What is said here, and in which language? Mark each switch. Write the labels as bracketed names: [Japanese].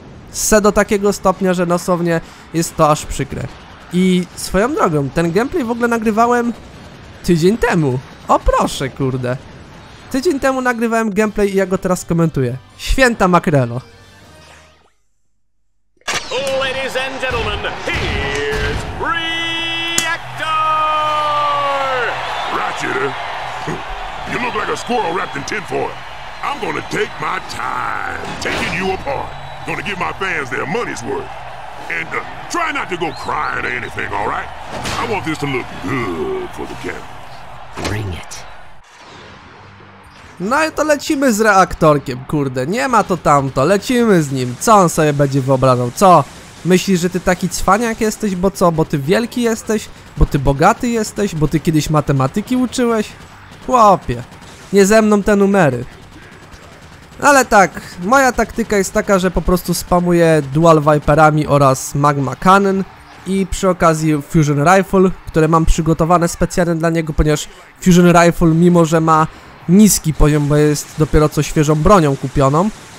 [Polish] Se do takiego stopnia, że dosłownie jest to aż przykre. I swoją drogą, ten gameplay w ogóle nagrywałem tydzień temu. O proszę, kurde. Tydzień temu nagrywałem gameplay i ja go teraz komentuję. Święta makrelo. [English] Ladies and gentlemen, here's Reactor! Ratchet, you look like a squirrel wrapped in tinfoil. I'm gonna take my time taking you apart. Gonna give my fans their money's worth. And try not to go crying or anything, all right? I want this to look good for the camera. Bring it. [Polish] No i to lecimy z reaktorkiem, kurde. Nie ma to tamto, lecimy z nim. Co on sobie będzie wyobrażał? Co? Myślisz, że ty taki cwaniak jesteś, bo co? Bo ty wielki jesteś? Bo ty bogaty jesteś? Bo ty kiedyś matematyki uczyłeś? Chłopie, nie ze mną te numery. Ale tak, moja taktyka jest taka, że po prostu spamuję Dual Viperami oraz Magma Cannon i przy okazji Fusion Rifle, które mam przygotowane specjalnie dla niego, ponieważ Fusion Rifle, mimo że ma niski poziom, bo jest dopiero co świeżą bronią kupioną,